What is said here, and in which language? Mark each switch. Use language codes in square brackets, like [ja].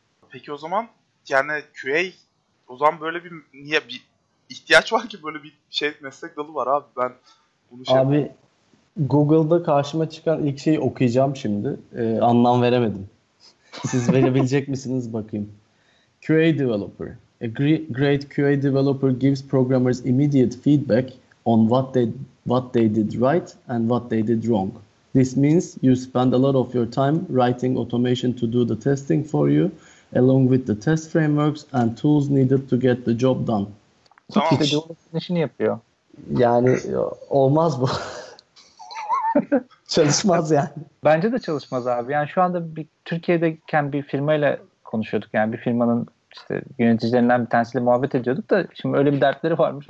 [tr] Peki o zaman yani QA o zaman böyle bir niye bir ihtiyaç var ki, böyle bir şey meslek dalı var abi. Ben bunu şey abi yapayım. Google'da karşıma çıkan ilk şeyi okuyacağım şimdi. Anlam veremedim. Siz verebilecek misiniz bakayım. [en] QA developer. A great QA developer gives programmers immediate feedback on what they did right and what they did wrong. This means you spend a lot of your time writing automation to do the testing for you, along with the test frameworks and tools needed to get the job done. [tr] Tamam. İşte developer'ın işini yapıyor. Yani olmaz bu. Çalışmaz yani. Bence de çalışmaz abi. Yani şu anda Türkiye'deyken bir firmayla konuşuyorduk. Yani bir firmanın İşte yöneticilerinden bir tanesiyle muhabbet ediyorduk da şimdi öyle bir dertleri varmış.